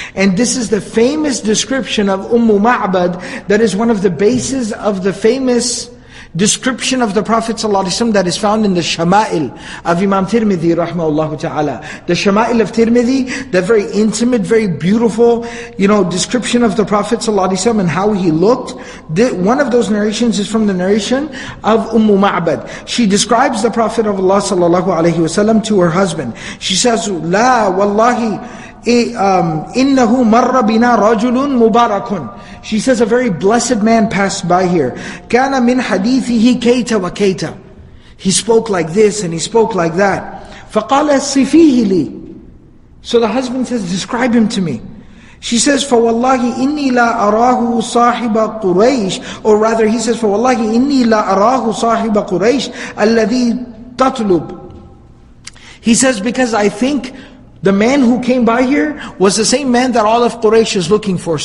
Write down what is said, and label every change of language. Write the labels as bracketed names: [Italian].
[English] And this is the famous description of Ummu Ma'bad that is one of the bases of the famous description of the Prophet sallallahu alayhi wa sallam that is found in the Shama'il of Imam Tirmidhi rahmahullah ta'ala. The Shama'il of Tirmidhi, the very intimate, very beautiful, you know, description of the Prophet sallallahu alayhi wa sallam and how he looked. One of those narrations is from the narration of Ummu Ma'bad. She describes the Prophet of Allah sallallahu alayhi wa sallam to her husband. She says, [Arabic] La wallahi, إِنَّهُ مَرَّ بِنَا رَجُلٌ مُبَارَكٌ. [English] She says, a very blessed man passed by here. [Arabic] كَانَ مِنْ حَدِيثِهِ كَيْتَ وَكَيْتَ. [English] He spoke like this and he spoke like that. [Arabic] فَقَالَ صِفِيهِ لِي. [English] So the husband says, describe him to me. She says, [Arabic] فَوَاللَّهِ إِنِّي لَا أَرَاهُ صَاحِبَ قُرَيْشِ. [English] Or rather, he says, [Arabic] فَوَاللَّهِ إِنِّي لَا أَرَاهُ صَاحِبَ قُرَيْشِ أَلَّذِي تَطْلُبْ. [English] He says, because I think the man who came by here was the same man that all of Quraysh is looking for.